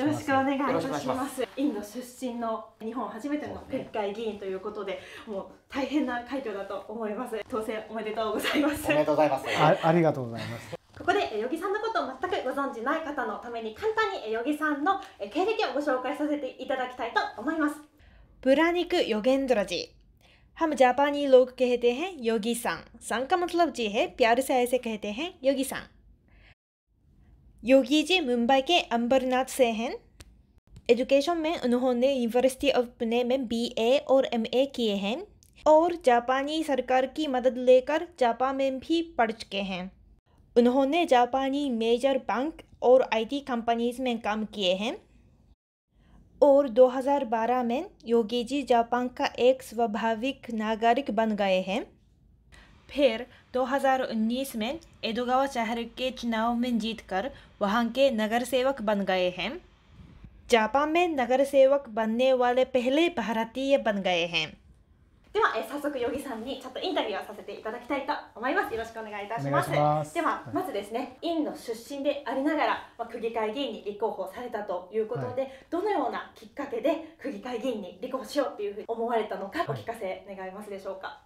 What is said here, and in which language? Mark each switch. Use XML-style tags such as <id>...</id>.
<ja>よろしくお願いいたします。インド出身の日本初めての区議会議員ということで、もう大変な快挙だと思います。当選おめでとうございます。おめでとうございます。ありがとうございます。ここでヨギさんのことを全くご存じない方のために、簡単にヨギさんの経歴をご紹介させていただきたいと思います。</ja> <hi>プラニクヨゲンドラジー हम जापानी लोग कहते हैं योगी सांग, सांग का मतलब जी है प्यार से ऐसे कहते हैं योगी सांग। योगी जी मुंबई के अंबरनाथ से हैं। एजुकेशन में उन्होंने यूनिवर्सिटी ऑफ पुणे में बीए और एमए किए हैं और जापानी सरकार की मदद लेकर जापान में भी पढ़ चुके हैं। उन्होंने जापानी मेजर बैंक और आईटी कंपनीज में काम किए हैं और 2012 में योगी जी जापान का एक स्वाभाविक नागरिक बन गए हैं। फिर 2019 में एदोगावा शहर के चुनाव में जीतकर वहां के नगर सेवक बन गए हैं। जापान में नगर सेवक बनने वाले पहले भारतीय बन गए हैं।</hi> <ja>では早速ヨギさんにちょっとインタビューをさせていただきたいと思います。よろしくお願いいたしま す, お願いします。ではまずですね、院の出身でありながら、まあ、区議会議員に立候補されたということで、はい、どのようなきっかけで区議会議員に立候補しようというふうに思われたのか、お聞かせ願いますでしょうか。</ja>